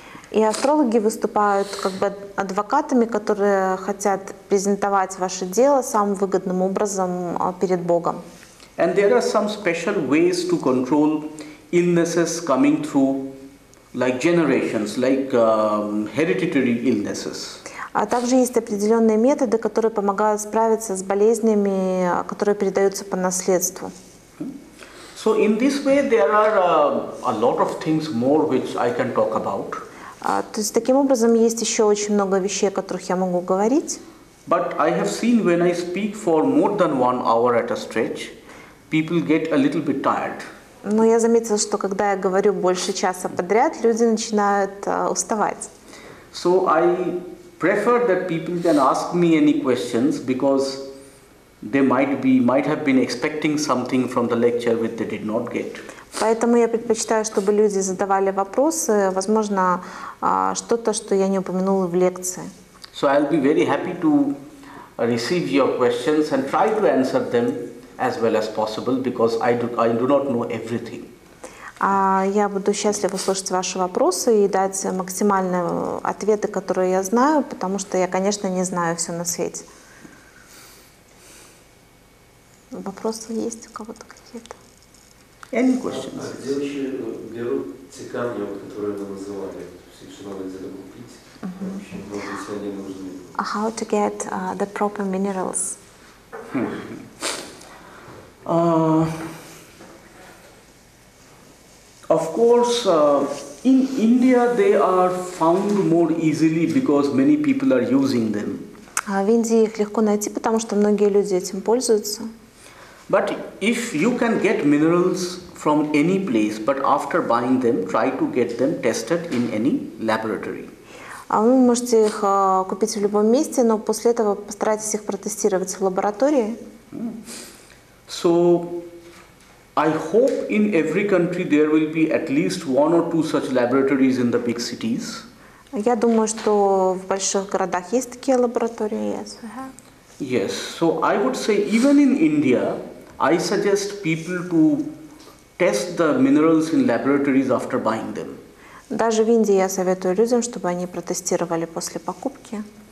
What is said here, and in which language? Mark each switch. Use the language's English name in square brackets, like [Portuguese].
[Russian] И астрологи выступают как бы адвокатами, которые хотят презентовать ваше дело самым выгодным образом перед Богом. [English] And there are some special ways to control illnesses coming through, like generations, like hereditary illnesses. [Russian] А также есть определенные методы, которые помогают справиться с болезнями, которые передаются по наследству. [English] So in this way, there are a lot of things more which I can talk about. [Russian] То есть таким образом есть еще очень много вещей, о которых я могу говорить. [English] But I have seen when I speak for more than 1 hour at a stretch, people get a little bit tired. [Russian] Но я заметила, что когда я говорю больше часа подряд, люди начинают уставать. [English] So I prefer that people can ask me any questions because they might have been expecting something from the lecture which they did not get. [Russian] Поэтому я предпочитаю, чтобы люди задавали вопросы, возможно, что-то, что я не упомянула в лекции. [English] So I'll be very happy to receive your questions and try to answer them as well as possible, because I do not know everything. [Russian] Я буду счастлива слушать ваши вопросы и дать максимальные ответы, которые я знаю, потому что я, конечно, не знаю все на свете. Вопросы есть у кого-то какие-то? [English] Any questions? [Russian] А где вообще берут те камни, которые вы называли? Все, что надо где-то купить? Вообще, может быть, они нужны? [English] How to get the proper minerals? Of course, in India they are found more easily because many people are using them. [Russian] В Индии их легко найти, потому что многие люди этим пользуются. [English] But if you can get minerals from any place, but after buying them, try to get them tested in any laboratory. [Russian] Вы можете их купить в любом месте, но после этого постарайтесь их протестировать в лаборатории. [English] So, I hope in every country there will be at least 1 or 2 such laboratories in the big cities. [Russian] Я думаю, что в больших городах есть такие лаборатории. [English] Yes, we have. Yes. So I would say even in India, I suggest people to test the minerals in laboratories after buying them. [Russian] Даже в Индии я советую людям, чтобы они протестировали после покупки.